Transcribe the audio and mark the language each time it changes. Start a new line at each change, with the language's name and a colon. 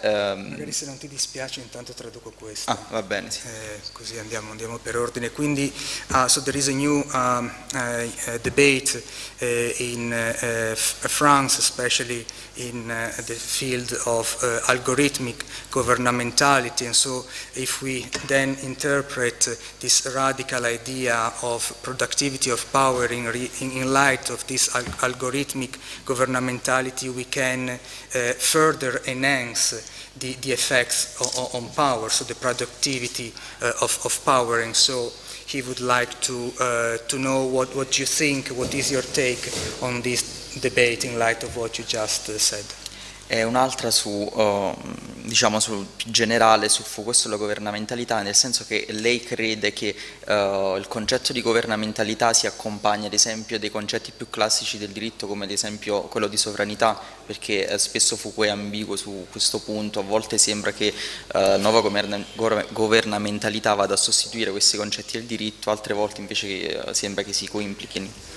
Italian: Magari se non ti dispiace intanto traduco questo. Ah, va bene. Sì. Così andiamo per ordine.
English: Quindi, so there is a new debate in France, especially in the field of algorithmic governmentality. And so if we then interpret this radical idea of productivity of power in light of this algorithmic governmentality, we can further enhance the effects on power, so the productivity of power. And so he would like to know what you think, what is your take on this debate in light of what you just said.
Italian: È un'altra su, diciamo, sul generale, su Foucault sulla governamentalità, nel senso che lei crede che il concetto di governamentalità si accompagna ad esempio dei concetti più classici del diritto, come ad esempio quello di sovranità, perché spesso Foucault è ambiguo su questo punto, a volte sembra che nuova governamentalità vada a sostituire questi concetti del diritto, altre volte invece sembra che si coimplichino.